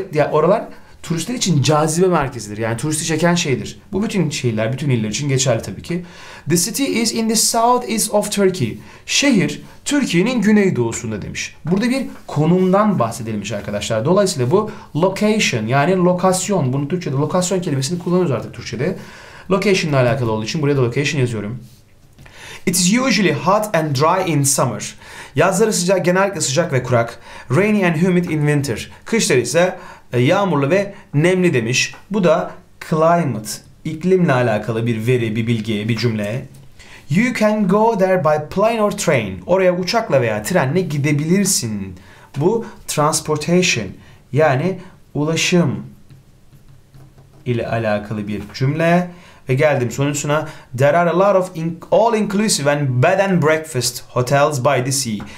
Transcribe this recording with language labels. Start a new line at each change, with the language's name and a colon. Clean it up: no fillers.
Turkish: Oralar turistler için cazibe merkezidir. Yani turisti çeken şeydir. Bu bütün şehirler, bütün iller için geçerli tabii ki.
English: The city is in the southeast of Turkey.
Turkish: Şehir Türkiye'nin güneydoğusunda demiş. Burada bir konumdan bahsedilmiş arkadaşlar. Dolayısıyla bu location, yani lokasyon. Bunu Türkçe'de lokasyon kelimesini kullanıyoruz artık Türkçe'de. Location ile alakalı olduğu için buraya da location yazıyorum.
English: It is usually hot and dry in summer.
Turkish: Yazları sıcak, genellikle sıcak ve kurak.
English: Rainy and humid in winter.
Turkish: Kışları ise yağmurlu ve nemli demiş. Bu da climate, iklimle alakalı bir veri, bir bilgiye, bir cümle.
English: You can go there by plane or train.
Turkish: Oraya uçakla veya trenle gidebilirsin. Bu transportation, yani ulaşım ile alakalı bir cümle. Ve geldim sonuncusuna.
English: There are a lot of all-inclusive and bed and breakfast hotels by the sea.